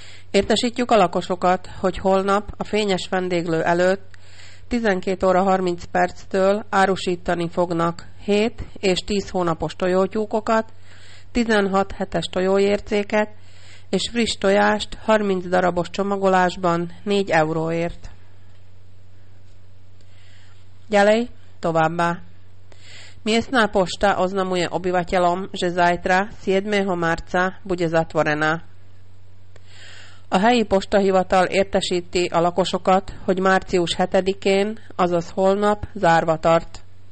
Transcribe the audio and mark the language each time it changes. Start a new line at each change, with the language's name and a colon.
Hungarian: Értesítjük a lakosokat, hogy holnap a Fényes vendéglő előtt 12 óra 30 perctől árusítani fognak 7 és 10 hónapos tojótyúkokat, 16 hetes tojóércéket és friss tojást 30 darabos csomagolásban 4 euróért.
Slovak: Ďalej,
Hungarian: továbbá.
Slovak: Miestná pošta oznamuje obyvateľom, že zajtra 7. marca bude zatvorená.
Hungarian: A helyi postahivatal értesíti a lakosokat, hogy március 7-én, azaz holnap, zárva tart.